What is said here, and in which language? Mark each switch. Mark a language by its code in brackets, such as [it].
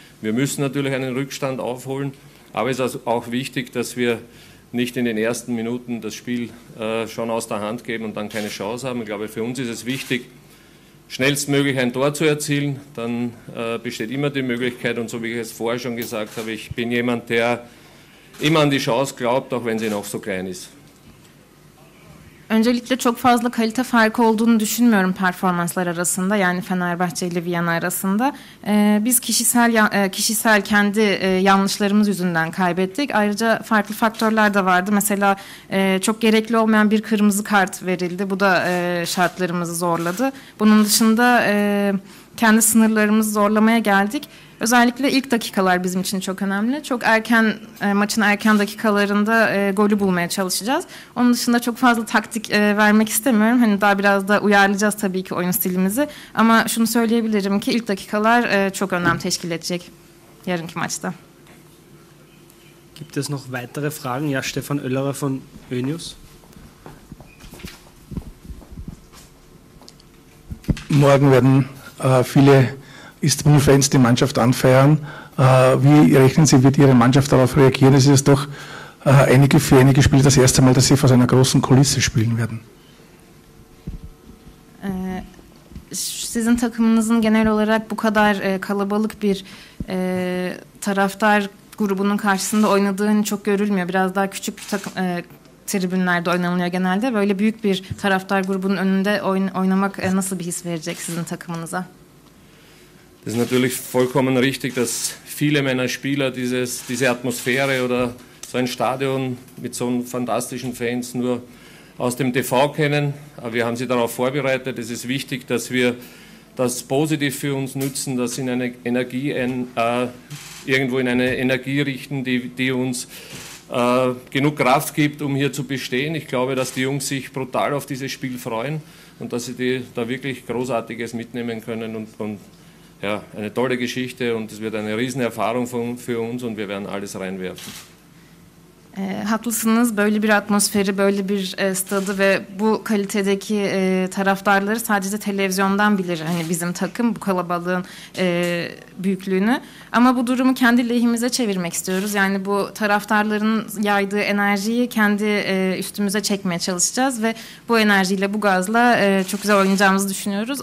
[de] Wir müssen natürlich einen Rückstand aufholen, aber es ist auch wichtig, dass wir nicht in den ersten Minuten das Spiel schon aus der Hand geben und dann keine Chance haben. Ich glaube, für uns ist es wichtig, schnellstmöglich ein Tor zu erzielen. Dann besteht immer die Möglichkeit, und so wie ich es vorher schon gesagt habe, ich bin jemand, der immer an die Chance glaubt, auch wenn sie noch so klein ist. [tr] Öncelikle çok fazla kalite farkı olduğunu düşünmüyorum performanslar arasında, yani Fenerbahçe ile Viyana arasında. Biz kişisel kendi yanlışlarımız yüzünden kaybettik. Ayrıca farklı faktörler de vardı. Mesela çok gerekli olmayan bir kırmızı kart verildi. Bu da şartlarımızı zorladı. Bunun dışında kendi sınırlarımızı zorlamaya geldik. Özellikle ilk dakikalar bizim için çok önemli. Çok erken, maçın erken dakikalarında golü bulmaya çalışacağız. Onun dışında çok fazla taktik vermek istemiyorum. Hani daha biraz da uyarlayacağız tabii ki oyun stilimizi. Ama şunu söyleyebilirim ki ilk dakikalar çok önem teşkil edecek yarınki maçta. [de] Gibt es noch weitere Fragen? Ja, Stefan Öllerer von Önius. Morgen werden viele Istanbul-Fans die Mannschaft anfeiern. Wie rechnen Sie, wird Ihre Mannschaft darauf reagieren? Es ist doch für einige Spiele das erste Mal, dass Sie vor einer großen Kulisse spielen werden. [tr] Sizin takımınızın genel olarak bu kadar kalabalık bir taraftar grubunun karşısında oynadığını çok görülmüyor. Biraz daha küçük bir takım tribünlerde oynanılıyor genelde. Böyle büyük bir taraftar grubunun önünde oynamak nasıl bir his verecek sizin takımınıza? [de] Es ist natürlich vollkommen richtig, dass viele meiner Spieler diese Atmosphäre oder so ein Stadion mit so einem fantastischen Fans nur aus dem TV kennen. Aber wir haben sie darauf vorbereitet. Es ist wichtig, dass wir das positiv für uns nutzen, das in eine Energie irgendwo in eine Energie richten, die uns genug Kraft gibt, um hier zu bestehen. Ich glaube, dass die Jungs sich brutal auf dieses Spiel freuen und dass sie da wirklich Großartiges mitnehmen können und ja, eine tolle Geschichte und es wird eine Riesenerfahrung für uns und wir werden alles reinwerfen. [tr] Haklısınız, böyle bir atmosferi, böyle bir stadı ve bu kalitedeki taraftarları sadece televizyondan bilir hani bizim takım, bu kalabalığın büyüklüğünü. Ama bu durumu kendi lehimize çevirmek istiyoruz. Yani bu taraftarların yaydığı enerjiyi kendi üstümüze çekmeye çalışacağız ve bu enerjiyle, bu gazla çok güzel oynayacağımızı düşünüyoruz.